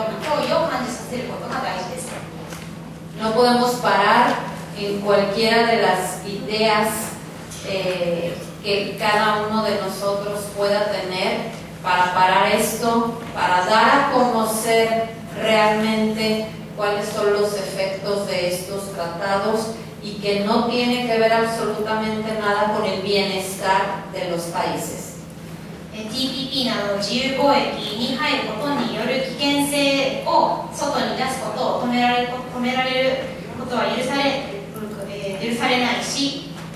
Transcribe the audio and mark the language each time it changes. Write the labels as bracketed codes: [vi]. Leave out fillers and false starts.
[ja] もしそういった人々の声を聞かなければ次の選挙で投票を入れてもらえないというような脅威を感じさせることが大事です。 [es] No podemos parar en cualquiera de las ideas que cada uno de nosotros pueda tener para parar esto, para dar a conocer realmente cuáles son los efectos de estos tratados y que no tiene que ver absolutamente nada con el bienestar de los países. [ja] TPP など自由貿易に入ることによる危険性を外に出すことを止められることは許されないし、